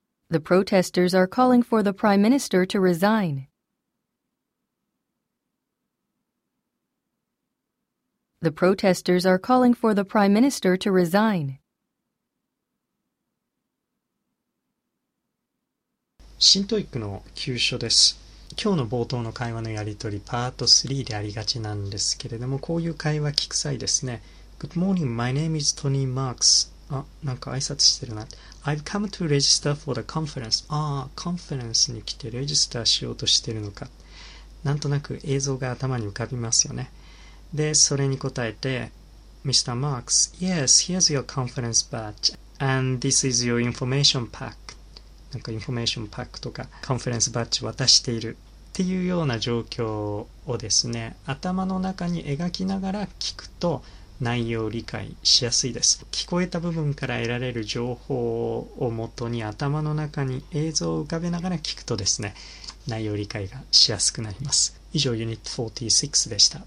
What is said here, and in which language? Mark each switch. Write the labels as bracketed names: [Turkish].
[English] The protesters are calling for the Prime Minister to resign. The protesters are calling for the Prime Minister to resign. [Japanese] 新トイックの急所です。今日の冒頭の会話のやり取り、パート3でありがちなんですけれども、こういう会話聞く際ですね。 [English] Good morning, my name is Tony Marks. [Japanese] あ、なんか挨拶してるな。 [English] I've come to register for the conference. [Japanese] ああ、コンフェレンスに来てレジスターしようとしてるのか。なんとなく映像が頭に浮かびますよね。で、それに答えて、Mr. [English] Marks, yes, here's your conference badge, and this is your information pack. [Japanese] なんか、インフォメーションパックとか、コンフェレンスバッジ渡しているっていうような状況をですね、頭の中に描きながら聞くと、内容を理解しやすいです。聞こえた部分から得られる情報をもとに、頭の中に映像を浮かべながら聞くとですね、内容理解がしやすくなります。以上、Unit 46 でした。